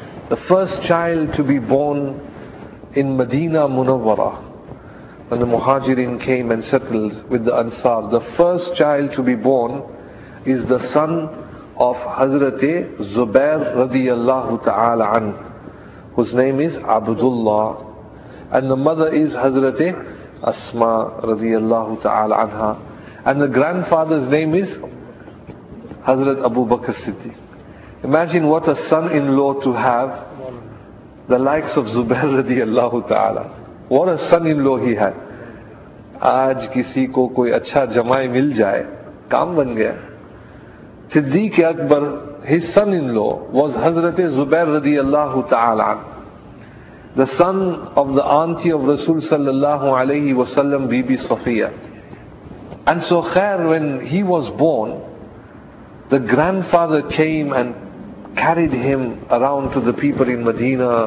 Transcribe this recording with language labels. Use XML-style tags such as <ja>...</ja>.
<en>The first child to be born in Medina Munawwara, when the Muhajirin came and settled with the Ansar, the first child to be born is the son of Hazrat Zubair radiallahu ta'ala an, whose name is Abdullah, and the mother is Hazrat Asma radiallahu ta'ala anha, and the grandfather's name is Hazrat Abu Bakr Siddiq. Imagine what a son-in-law to have, the likes of Zubair radiallahu ta'ala. What a son-in-law he had.</en> <ur>آج کسی کو کوئی اچھا جمائی مل جائے، کام بن گیا.</ur> <en>Siddiq Akbar, his son-in-law, was Hazrat Zubair radiallahu ta'ala, the son of the auntie of Rasul sallallahu alayhi wa sallam, Bibi Safiya. And so khair, when he was born, the grandfather came and carried him around to the people in Medina.</en>